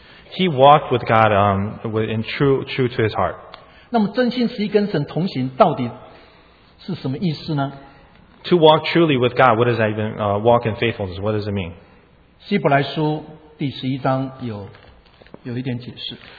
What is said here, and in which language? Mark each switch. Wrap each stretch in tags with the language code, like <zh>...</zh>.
<en>he walked with God in true to his heart.</en> <zh>那么真心实意跟神同行到底是什么意思呢?</zh> <en>To walk truly with God, what does that even walk in faithfulness? What does it mean?</en> <zh>希伯来书第十一章有一点解释.</zh>